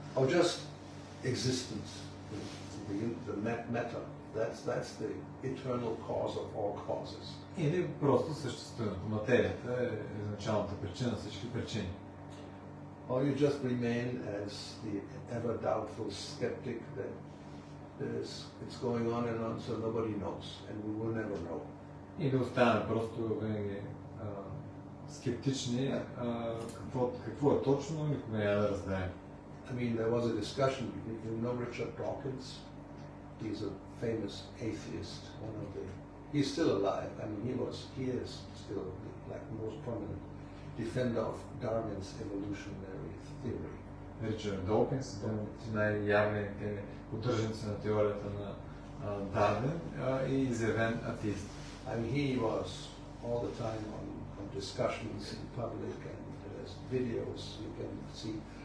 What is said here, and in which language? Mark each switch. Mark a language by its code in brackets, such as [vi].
[en] Or just existence, the matter. That's the eternal cause of all causes. [bg] Или просто съществуването, материята е изначалната причина на всички причини. [en] Or you just remain as the ever doubtful skeptic that it's going on and on, so nobody knows, and we will never know. [bg] Или оставаме просто винаги скептични, какво е точно, никога няма да разберем. [en] I mean, there was a discussion, you know Richard Dawkins? He's a famous atheist, one of the... He's still alive, I mean, he is still the like, most prominent defender of Darwin's evolutionary theory. [bg] Richard Dawkins, най-явният поддръжник на теорията на Дарвин и изявен атеист. [en] And he was all the time on discussions in public and there's videos you can see.